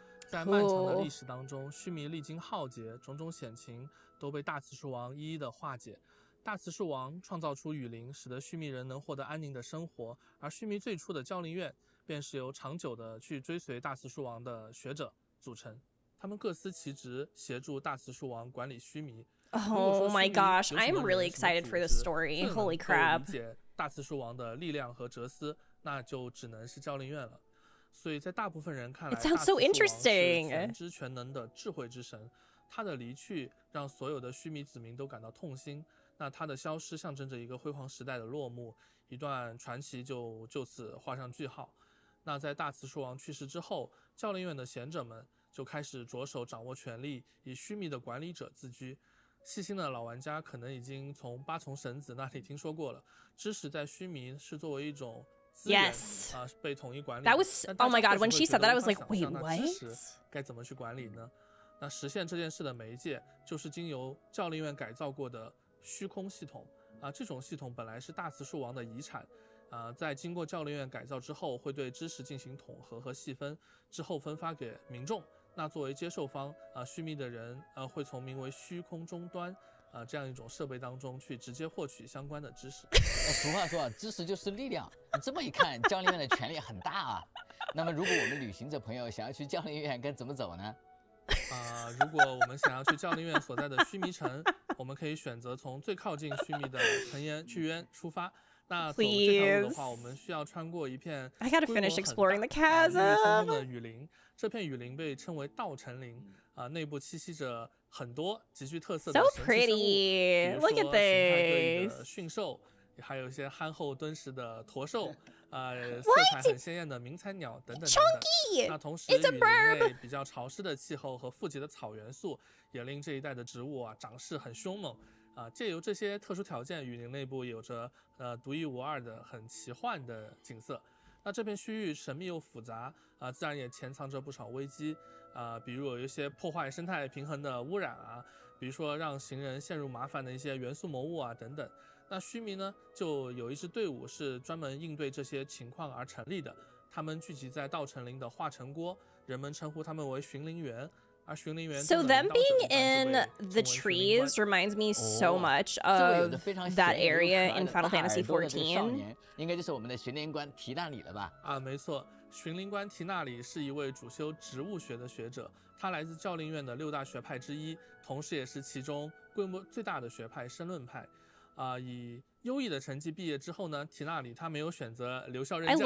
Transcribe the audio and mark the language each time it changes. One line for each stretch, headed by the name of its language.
Chinese: 在漫长的历史当中，须弥历经浩劫，种种险情都被大慈树王一一的化解。大慈树王创造出雨林，使得须弥人能获得安宁的生活，而须弥最初的教令院便是由长久的去追随大慈树王的学者组成，他们各司其职，协助大慈树王管理须弥。
English: Oh my gosh, I'm really excited for this story. Holy crap.
Chinese: 能够理解大慈树王的力量和哲思，那就只能是教令院了。所以在大部分人看来，大慈树王是全知全能的智慧之神。他的离去让所有的须弥子民都感到痛心。那他的消失象征着一个辉煌时代的落幕，一段传奇就此画上句号。那在大慈树王去世之后，教令院的贤者们就开始着手掌握权力，以须弥的管理者自居。细心的老玩家可能已经从八重神子那里听说过了，知识在须弥是作为一种资源、
English: yes.
Chinese: 被统一管理。
English: That was oh my god, when she said that, I was like, wait, what?
Chinese: 该怎么去管理呢？那实现这件事的媒介就是经由教令院改造过的虚空系统啊。这种系统本来是大慈树王的遗产。在经过教令院改造之后，会对知识进行统合和细分，之后分发给民众。那作为接受方，须弥的人会从名为虚空终端这样一种设备当中去直接获取相关的知识。俗话说啊，知识就是力量。你这么一看，教练员的权力很大啊。那么如果我们旅行者朋友想要去教练员该怎么走呢？如果我们想要去教练院所在的须弥城，我们可以选择从最靠近须弥的城岩去渊出发。那走这条路的话，我们需要穿过一片规模很大，
English: I gotta finish exploring the chasm.
Chinese: 的雨林。这片雨林被称为稻城林，内部栖息着很多极具特色的神奇生物，比如说形态各异的驯兽，还有一些憨厚敦实的驼兽。色彩很鲜艳的鸣蚕鸟等等等等。那同时雨林内比较潮湿的气候和富集的草原素也令这一带的植物，长势很凶猛。借由这些特殊条件，雨林内部有着独一无二的很奇幻的景色。那这片区域神秘又复杂，自然也潜藏着不少危机，比如有一些破坏生态平衡的污染啊，比如说让行人陷入麻烦的一些元素魔物啊等等。那须弥呢，就有一支队伍是专门应对这些情况而成立的，他们聚集在稻城林的化成锅，人们称呼他们为寻灵员，而寻灵员。
English: So them being in the trees reminds me so much of that area in Final Fantasy XIV.
Chinese: 应该就是我们的寻灵官提纳里了吧？没错，寻灵官提纳里是一位主修植物学的学者，他来自教令院的六大学派之一，同时也是其中规模最大的学派申论派。以优异的成绩毕业之后呢，提纳里他没有选择留校任教。